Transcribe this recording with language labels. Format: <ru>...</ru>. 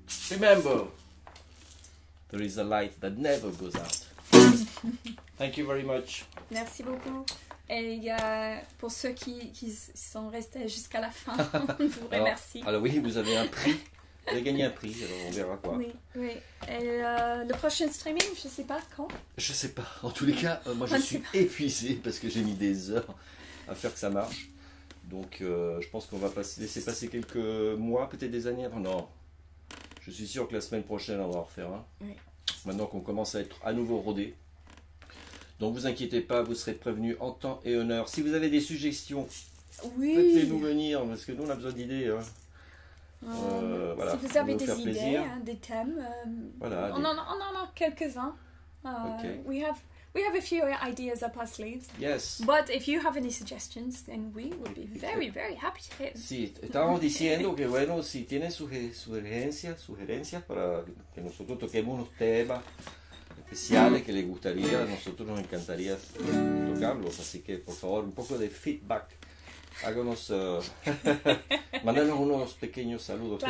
<en>remember, there is a light that never goes out. Thank you very much.</en> <fr>Merci beaucoup. Et pour ceux qui sont restés jusqu'à la fin, on vous remercie. Alors oui, vous avez un prix. Vous avez gagné un prix, alors on verra quoi. Oui, oui. Et le prochain streaming, je ne sais pas quand. Je ne sais pas. En tous les cas, moi je suis épuisé parce que j'ai mis des heures à faire que ça marche. Donc je pense qu'on va laisser passer quelques mois, peut-être des années. Enfin, non, je suis sûr que la semaine prochaine, on va en refaire un. Oui. Maintenant qu'on commence à être à nouveau rodé. Donc, vous inquiétez pas, vous serez prévenus en temps et en heure. Si vous avez des suggestions, oui. Faites-les-nous venir, parce que nous, on a besoin d'idées. Hein. Voilà, si vous avez des idées, hein, des thèmes, voilà, on en a quelques-uns.</fr> <en>Okay. We have a few ideas up our sleeves. Yes. But if you have any suggestions, then we would be very, very happy to hear.</en> <es>Sí, estábamos diciendo que, bueno, si tienen sugerencias para que nosotros toquemos unos temas, especiales que les gustaría, a nosotros nos encantaría tocarlos, así que por favor un poco de feedback, háganos, mándanos unos pequeños saludos.</es>